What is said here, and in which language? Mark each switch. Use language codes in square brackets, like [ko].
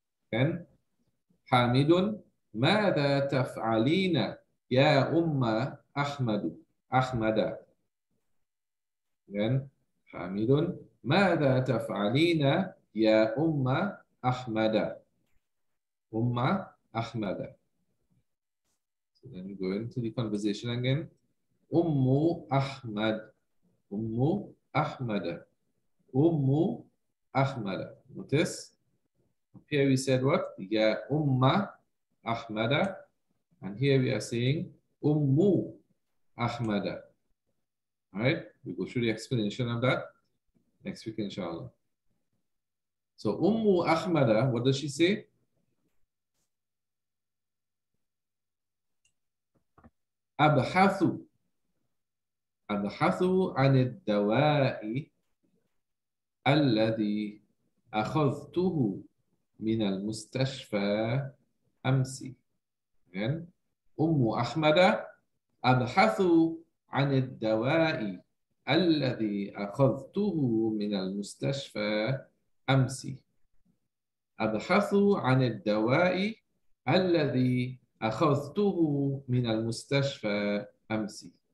[ar] Then, Hamidun, ماذا تفعلين يا أمة أحمد أحمد. Then, Hamidun, ماذا تفعلين يا أمة أحمد أمة أحمد. [en] So then we go into the conversation again. [ar] أم أحمد أم أحمد أم أحمد. [en] Notice. Here we said what? [ar] Ya umma ahmada. [en] And here we are saying [ar] ummu ahmada. [en] All right? We go through the explanation of that next week, inshallah. So [ar] ummu ahmada, [en] what does she say? [ar] Abhathu. Abhathu anid dawai alladhi akhadhtuhu من المستشفى أمس. Again, أم أحمد أبحث عن الدواء الذي أخذته من المستشفى أمس. أبحث عن الدواء الذي أخذته من المستشفى أمس.